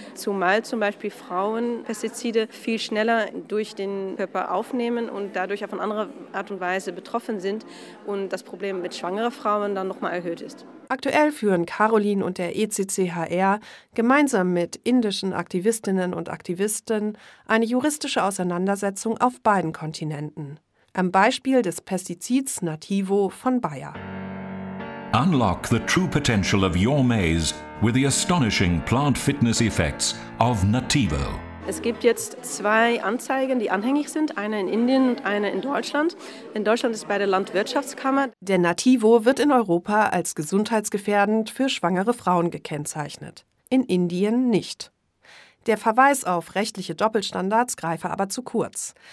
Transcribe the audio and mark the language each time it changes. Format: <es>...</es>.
<de>Zumal zum Beispiel Frauen Pestizide viel schneller durch den Körper aufnehmen und dadurch auf eine andere Art und Weise betroffen sind und das Problem mit schwangeren Frauen dann nochmal erhöht ist. Aktuell führen Caroline und der ECCHR gemeinsam mit indischen Aktivistinnen und Aktivisten eine juristische Auseinandersetzung auf beiden Kontinenten. Am Beispiel des Pestizids Nativo von Bayer.</de> <en>Unlock the true potential of your maize with the astonishing plant fitness effects of Nativo.</en> <de>Es gibt jetzt zwei Anzeigen, die anhängig sind, eine in Indien und eine in Deutschland. In Deutschland ist bei der Landwirtschaftskammer. Der Nativo wird in Europa als gesundheitsgefährdend für schwangere Frauen gekennzeichnet. In Indien nicht. Der Verweis auf rechtliche Doppelstandards greife aber zu kurz.</de>